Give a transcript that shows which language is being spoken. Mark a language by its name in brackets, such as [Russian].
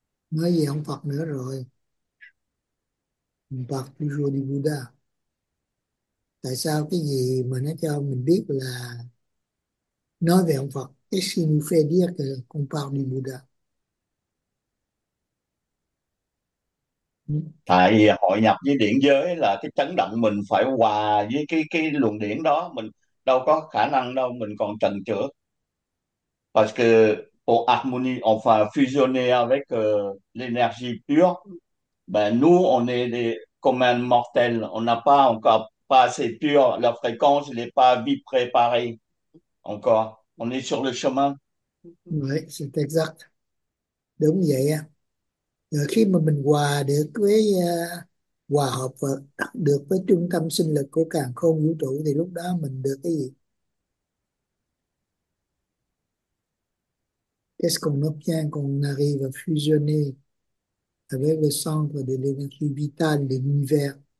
[Vietnamese] Nói về ông Phật nữa rồi. Ông Phật Pujo Buddha. Tại sao cái gì mà nó cho mình biết là nói về ông Phật? Cái gì [French] nous fait dire que qu'on parle du Bouddha? [Vietnamese] Tại vì hội nhập với điển giới là cái chấn động mình phải hòa với cái luồng điển đó, mình đâu có khả năng đâu mình còn trần trở. [French] Parce que pour harmonie, on va fusionner avec l'énergie pure. Ben, nous, on est des communs mortels. On n'a pas encore pas assez pur. La fréquence n'est pas bien préparée encore. On est sur le chemin. Oui, c'est exact. [Vietnamese] Đúng vậy á. Rồi khi mà mình hòa được với hòa hợp và được với trung tâm sinh lực của càn khôn vũ trụ thì lúc đó mình được cái gì? [French] Qu'est-ce qu'on obtient quand on arrive à fusionner avec le centre de l'énergie vitale de l'univers?